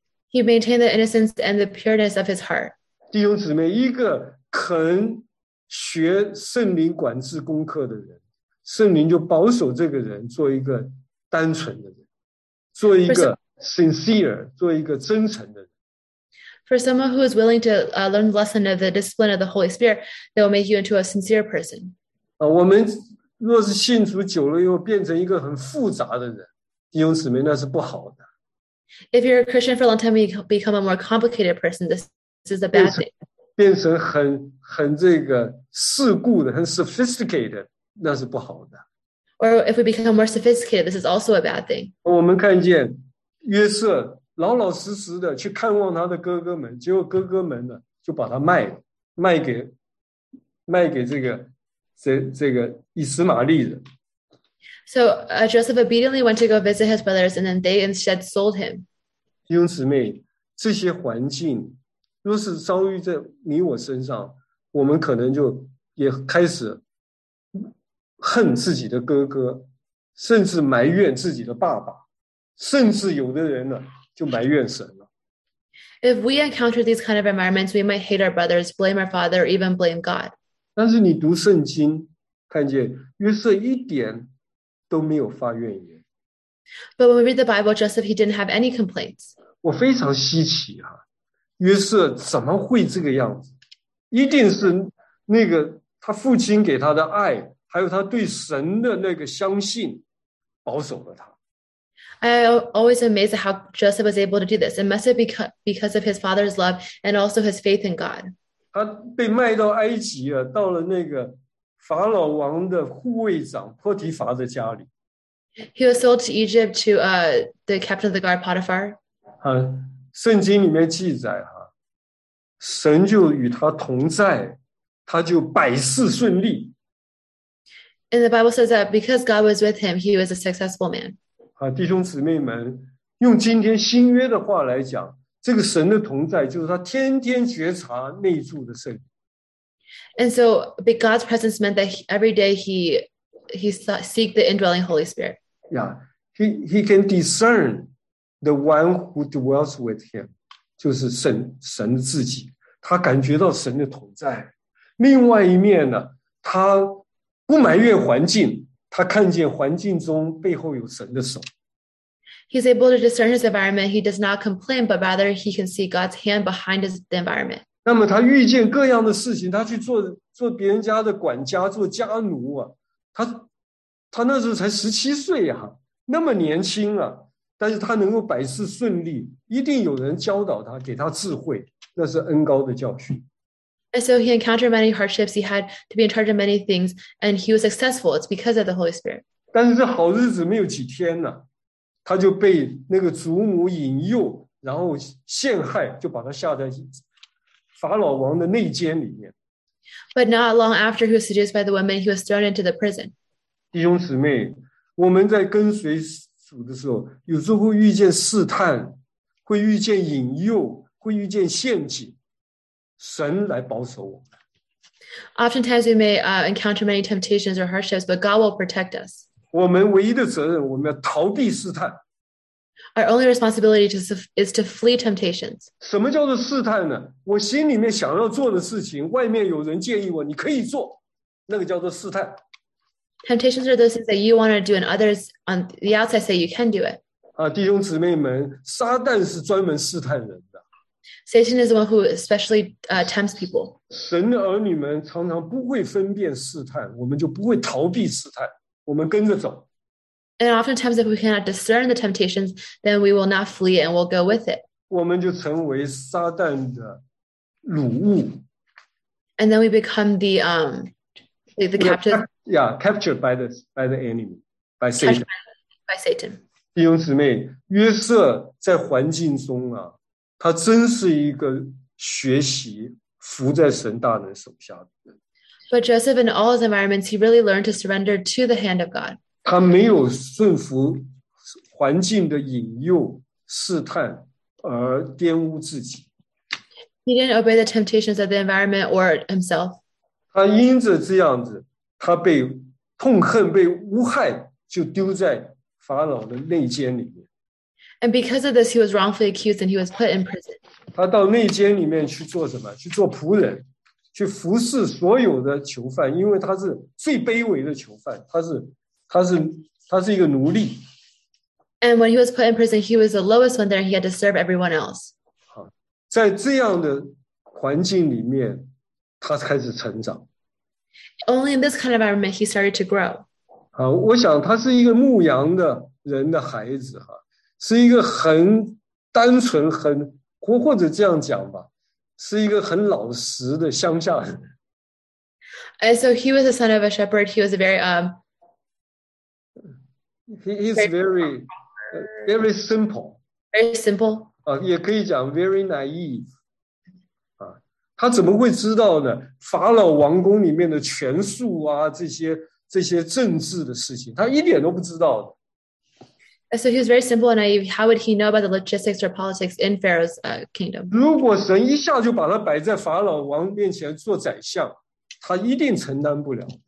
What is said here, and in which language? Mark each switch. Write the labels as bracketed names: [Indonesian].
[English] He maintained the innocence and the pureness of his heart. [Chinese] 弟兄姊妹，一个肯。学圣灵管制功课的人，圣灵就保守这个人做一个单纯的人，做一个 sincere， 做一个真诚的人。 [English] For someone who is willing to learn the lesson of the discipline of the Holy Spirit, they will make you into a sincere person. [Chinese] 我们若是信主久了，又变成一个很复杂的人，弟兄姊妹，那是不好的。 [English] If you're a Christian for a long time, you become a more complicated person. This is a bad thing. [Chinese] 变成很这个世故的，很 sophisticated， 那是不好的。 [English] Or if we become more sophisticated, this is also a bad thing. [Chinese] 我们看见约瑟老老实实的去看望他的哥哥们，结果哥哥们呢就把他卖了，卖给这个以实玛利人。 [English] So Joseph obediently went to go visit his brothers, and then they instead sold him. [Chinese] 弟兄姊妹，这些环境。若是遭遇在你我身上，我们可能就也开始恨自己的哥哥，甚至埋怨自己的爸爸，甚至有的人呢就埋怨神了。 [English] If we encounter these kind of environments, we might hate our brothers, blame our father, or even blame God. [Chinese] 但是你读圣经，看见约瑟一点都没有发怨言。 [English] But when we read the Bible, Joseph, he didn't have any complaints. [Chinese] 我非常稀奇啊，约瑟怎么会这个样子？一定是那个他父亲给他的爱，还有他对神的那个相信，保守了他。 [English] I always amazed at how Joseph was able to do this. It must have because of his father's love and also his faith in God. [Chinese] 他被卖到埃及啊，到了那个法老王的护卫长波提法的家里。 [English] He was sold to Egypt to the captain of the guard, Potiphar. [Chinese] 圣经里面记载啊，神就与他同在，他就百事顺利。 [English] And the Bible says that because God was with him, he was a successful man. [Chinese] 弟兄姊妹们，用今天新约的话来讲，这个神的同在就是他天天觉察内住的圣灵。 [English] And so, God's presence meant that every day he seek the indwelling Holy Spirit. Yeah, he can discern the one who dwells with him, [Chinese] 就是神自己。他感觉到神的同在。另外一面呢，他不埋怨环境，他看见环境中背后有神的手。 [English] He's able to discern his environment. He does not complain, but rather he can see God's hand behind the environment. [Chinese] 那么他遇见各样的事情，他去做别人家的管家，做家奴啊。他那时候才17岁啊，那么年轻啊，但是他能够百事顺利，一定有人教导他，给他智慧，那是恩高的教训。 [English] And so he encountered many hardships. He had to be in charge of many things, and he was successful. It's because of the Holy Spirit. [Chinese] 但是好日子没有几天呢，他就被那个祖母引诱，然后陷害，就把他下在法老王的内监里面。 [English] But not long after he was seduced by the woman, he was thrown into the prison. [Chinese] 弟兄姊妹，我们在跟随主的时候，有时候会遇见试探，会遇见引诱，会遇见陷阱。神来保守我们。 [English] Oftentimes we may encounter many temptations or hardships, but God will protect us. [Chinese] 我们唯一的责任，我们要逃避试探。 [English] Our only responsibility is to flee temptations. [Chinese] 什么叫做试探呢？我心里面想要做的事情，外面有人建议我，你可以做，那个叫做试探。 [English] Temptations are those things that you want to do, and others on the outside say you can do it. [Chinese] 弟兄姊妹们，撒旦是专门试探人。 [English] Satan is the one who especially tempts people. [Chinese] 神的儿女们常常不会分辨试探，我们就不会逃避试探，我们跟着走。 [English] And oftentimes, if we cannot discern the temptations, then we will not flee and we'll go with it. [Chinese] 我们就成为撒旦的掳物。 [English] And then we become the captive. Yeah, captured by the enemy, by Satan. By Satan. [Chinese] 弟兄姊妹，约瑟在环境中啊。他真是一个学习服在神大能手下的人。 [English] But Joseph, in all his environments, he really learned to surrender to the hand of God. [Chinese] 他没有顺服环境的引诱试探而玷污自己。 [English] He didn't obey the temptations of the environment or himself. [Chinese] 他因着这样子，他被痛恨、被诬害，就丢在法老的内监里面。 [English] And because of this, he was wrongfully accused and he was put in prison. [Chinese] 他到内监里面去做什么？去做仆人，去服侍所有的囚犯，因为他是最卑微的囚犯，他是一个奴隶。 [English] And when he was put in prison, he was the lowest one there and he had to serve everyone else. [Chinese] 在这样的环境里面，他开始成长。 [English] Only in this kind of environment, he started to grow. [Chinese] 我想他是一个牧羊的人的孩子哈。是一个很单纯很或者这样讲吧是一个很老实的乡下人。 [English] And so he was the son of a shepherd. He was very simple. Very simple. [Chinese] 也可以讲 [English] very naive. [Chinese] 他怎么会知道呢法老王宫里面的权术啊这些政治的事情他一点都不知道的。 [English] So he was very simple and naive. How would he know about the logistics or politics in Pharaoh's kingdom? [Chinese] 如果神一下就把他摆在法老王面前做宰相，他一定承担不了。